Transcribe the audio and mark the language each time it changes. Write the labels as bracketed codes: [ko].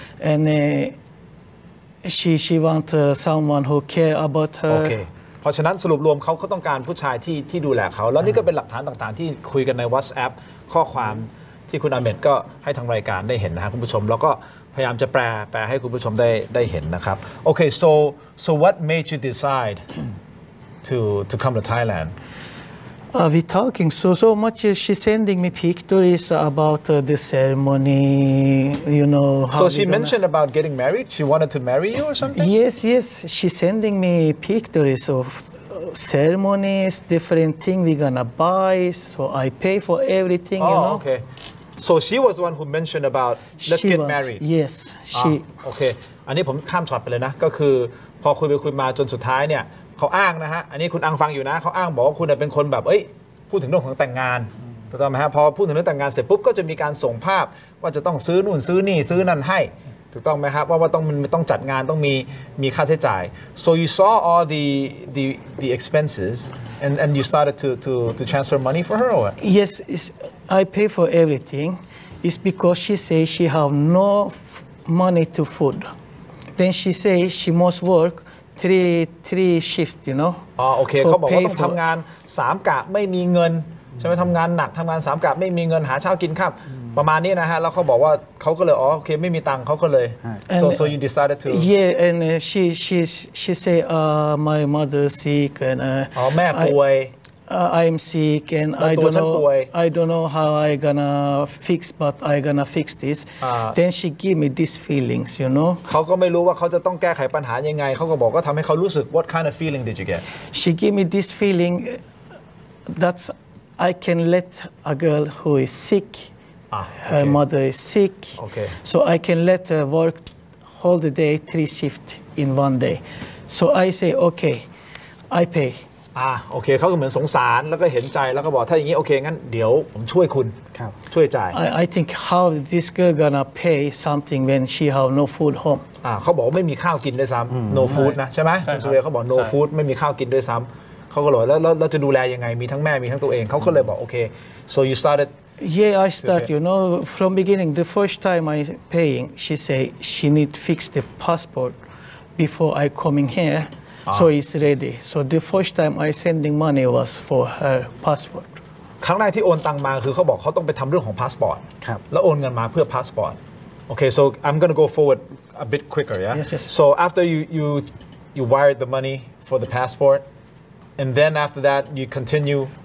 [en] And she want someone who care about her. Okay. [th] เพราะฉะนั้นสรุปรวมเขาต้องการผู้ชายที่ดูแลเขาแล้วนี่ก็เป็นหลักฐานต่างๆที่คุยกันใน WhatsApp ข้อความที่คุณอาเมดก็ให้ทางรายการได้เห็นนะฮะคุณผู้ชมแล้วก็พยายามจะแปลให้คุณผู้ชมได้เห็นนะครับโอเค [en] so what made you decide to come to Thailand we talking so much she sending me pictures about the ceremony you know so she mentioned about getting married she wanted to marry you or something yes she sending me pictures of ceremonies different thing we gonna buy so I pay for everything oh, you know okay so she was the one who mentioned about let's get married yes she [th] okay อันนี้ผมข้ามช็อตไปเลยนะก็คือพอคุยมาจนสุดท้ายเนี่ยเขาอ้างนะฮะอันนี้คุณอังฟังอยู่นะเขาอ้างบอกว่าคุณเป็นคนแบบเอ้ยพูดถึงเรื่องของแต่งงานถูกต้องไหมฮะพอพูดถึงเรื่องแต่งงานเสร็จปุ๊บก็จะมีการส่งภาพว่าจะต้องซื้อนู่นซื้อนี่ซื้อนั่นให้ถูกต้องไหมครับว่าต้องจัดงานต้องมีค่าใช้จ่าย [en] so you saw all the expenses and you started to transfer money for her or what? Yes I pay for everything it's because she say she have no money to food then she say she must workthree shift you know [th] อ๋อโอเคเขาบอกว่าต้องทำงาน3กะไม่มีเงินใช่ไหมทำงานหนักทำงาน3กะไม่มีเงินหาเช้ากินครับประมาณนี้นะฮะแล้วเขาบอกว่าเขาก็เลยอ๋อโอเคไม่มีตังค์เขาก็เลย [en] so you decided to yeah and she say my mother sick and [th] แม่ป่วย [en] I'm sick and I don't know how I gonna fix but I gonna fix this then she give me these feelings you know [th] เขาก็ไม่รู้ว่าเขาจะต้องแก้ไขปัญหายังไงเขาก็บอกก็ทำให้เขารู้สึก [en] what kind of feeling did you get she give me this feeling that I can let a girl who is sick her mother is sick so I can let her work all the day three shift in one day so I say okay I pay [th] โอเคเขาก็เหมือนสงสารแล้วก็เห็นใจแล้วก็บอกถ้าอย่างนี้โอเคงั้นเดี๋ยวผมช่วยคุณ ครับ ช่วยจ่าย [en] I think how this girl gonna pay something when she have no food home [th] เขาบอกไม่มีข้าวกินด้วยซ้ำ [en] no food [th] นะใช่ไหม ใช่ครับ สุเรียเขาบอก [en] no food [th] ไม่มีข้าวกินด้วยซ้ำเขาก็เลยแล้วจะดูแลยังไงมีทั้งแม่มีทั้งตัวเองเขาก็เลยบอกโอเค [en] so you started yeah I start you know from beginning the first time I paying she say she need fix the passport before I coming hereSo it's ready. So the first time I sending money was for her passport. [th] ครั้งแรกที่โอนตังมาคือเขาบอกเขาต้องไปทำเรื่องของพาสปอร์ต ครับ แล้วโอนเงินมาเพื่อพาสปอร์ต [en] Okay, so I'm gonna go forward a bit quicker, yeah. Yes. So after you wired the money for the passport, and then after that you continue